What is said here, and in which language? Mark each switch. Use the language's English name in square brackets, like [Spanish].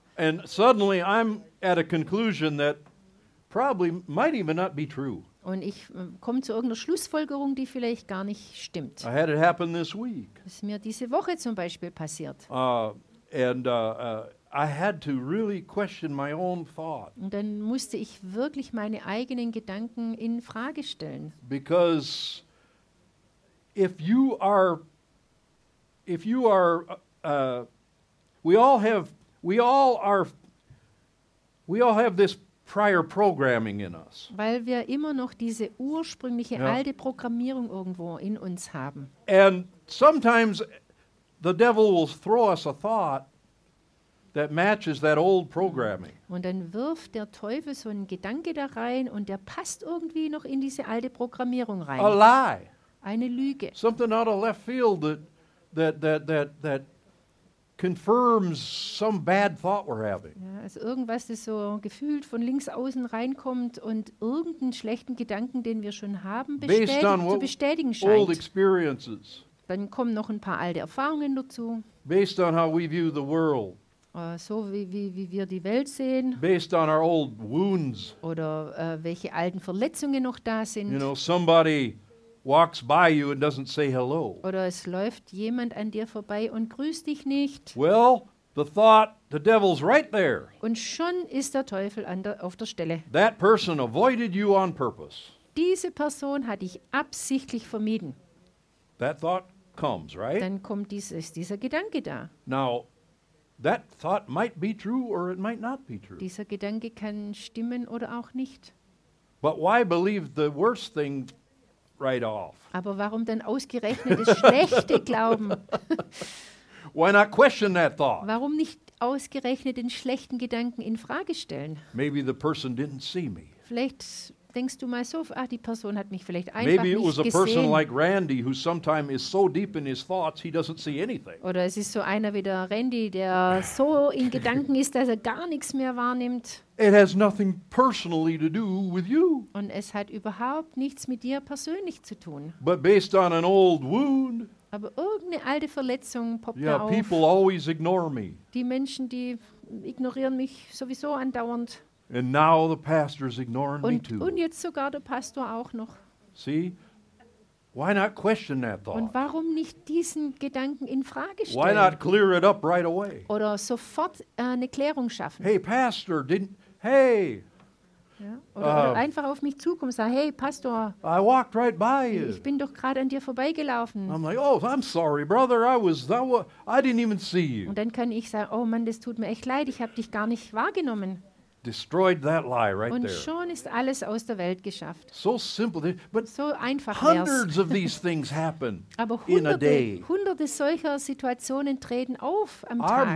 [English] And suddenly I'm at a conclusion that probably might even not be true. [German] Und ich komme zu irgendeiner Schlussfolgerung, die vielleicht gar nicht stimmt. [English] I had it happen this week. [German] Das ist mir diese Woche zum Beispiel passiert. [English] I had to really question my own thought. [German] Und dann musste ich wirklich meine eigenen Gedanken in Frage stellen. [English] Because we all have this prior programming in us. [German] Weil wir immer noch diese ursprüngliche alte Programmierung irgendwo in uns haben. [English] And sometimes the devil will throw us a thought that matches that old programming. [German] Und dann wirft der Teufel so einen Gedanke da rein und der passt irgendwie noch in diese alte Programmierung rein. [English] A lie. [German] Eine Lüge. [English] Something out of left field that confirms some bad thought we're having. [German] Ja, also irgendwas, das so gefühlt von links außen reinkommt und irgendeinen schlechten Gedanken, den wir schon haben, bestätigen scheint. [English] Old experiences. [German] Dann kommen noch ein paar alte Erfahrungen dazu. [English] Based on how we view the world. [German] So wie wir die Welt sehen. [English] Based on our old wounds. [German] Oder welche alten Verletzungen noch da sind. [English] You know, somebody walks by you and doesn't say hello. [German] Oder es läuft jemand an dir vorbei und grüßt dich nicht. [English] Well, the thought, the devil's right there. [German] Und schon ist der Teufel auf der Stelle. [English] That person avoided you on purpose. [German] Diese Person hat dich absichtlich vermieden. [English] That thought comes, right? [German] Dann kommt dieser Gedanke da. [English] Now, that thought might be true or it might not be true. [German] Dieser Gedanke kann stimmen oder auch nicht. [English] But why believe the worst thing right off? [German] Aber warum denn ausgerechnet das Schlechte glauben? [English] Why not question that thought? [German] Warum nicht ausgerechnet den schlechten Gedanken in Frage stellen? [English] Maybe the person didn't see me. [German] Vielleicht denkst du mal so, ach, die Person hat mich vielleicht einfach nicht gesehen. [English] Maybe it was a person like Randy who sometimes is so deep in his thoughts he doesn't see anything. [German] Oder es ist so einer wie der Randy, der so in Gedanken ist, dass er gar nichts mehr wahrnimmt. [English] It has nothing personally to do with you. [German] Und es hat überhaupt nichts mit dir persönlich zu tun. [English] But based on an old wound. [German] Aber irgendeine alte Verletzung poppt da auf. [English] Yeah, people always ignore me. [German] Die Menschen, die ignorieren mich sowieso andauernd. [English] And now the pastor's ignoring [German] und, [English] me too. [German] Und jetzt sogar der Pastor auch noch. [English] See, why not question that thought? [German] Und warum nicht diesen Gedanken in Frage stellen? [English] Why not clear it up right away? [German] Oder sofort eine Klärung schaffen. [English] Hey, Pastor, didn't, hey. [German] Ja, oder einfach auf mich zukommen und sagen, hey, Pastor, [English] I walked right by you. [German] Ich bin doch gerade an dir vorbeigelaufen. [English] I'm like, oh, I'm sorry, brother, I didn't even see you. [German] Und dann kann ich sagen, oh Mann, das tut mir echt leid, ich habe dich gar nicht wahrgenommen. [English] Destroyed that lie right there. [German] Und schon ist alles aus der Welt geschafft. [English] So simple, but [German] so einfach [English] hundreds of these things happen [German] aber [English] in a day. [German] Hunderte solcher Situationen treten auf am Tag.